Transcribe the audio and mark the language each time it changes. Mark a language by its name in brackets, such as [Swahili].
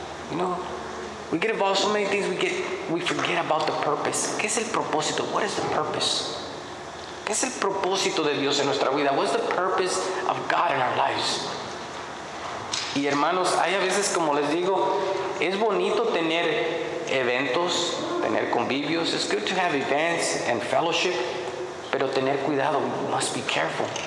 [English] You know, we get involved in so many things, we forget about the purpose. [Spanish] ¿Qué es el propósito? [English] What is the purpose? [Spanish] ¿Qué es el propósito de Dios en nuestra vida? [English] What is the purpose of God in our lives? [Spanish] Y hermanos, hay a veces, como les digo, es bonito tener eventos, tener convivios. [English] It's good to have events and fellowship, [Spanish] pero tener cuidado, [English] must be careful.